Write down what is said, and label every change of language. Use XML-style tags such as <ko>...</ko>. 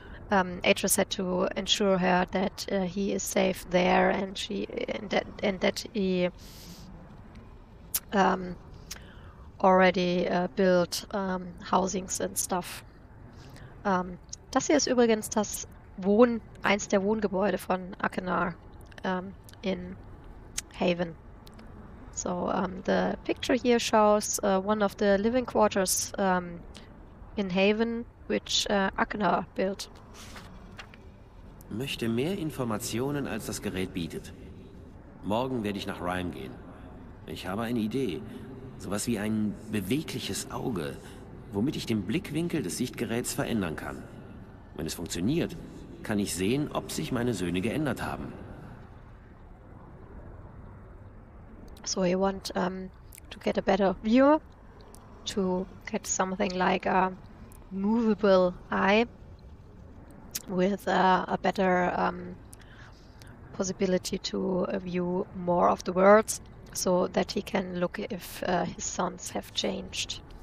<en>Atrus had to ensure her that he is safe there, and that he already built housings and stuff.</en> <de>Das hier ist übrigens eins der Wohngebäude von Akenar in Haven.</de> <en>So, the picture here shows one of the living quarters in Haven, which Akenar built.</en> <de>Möchte mehr Informationen, als das Gerät bietet. Morgen werde ich nach Rhyme gehen. Ich habe eine Idee. Sowas wie ein bewegliches Auge, womit ich den Blickwinkel des Sichtgeräts verändern kann. Wenn es funktioniert, kann ich sehen, ob sich meine Söhne geändert haben.</de> <en>So you want to get a better view, to get something like a movable eye with a better possibility to view more of the worlds, so that he can look if his sons have changed.</en>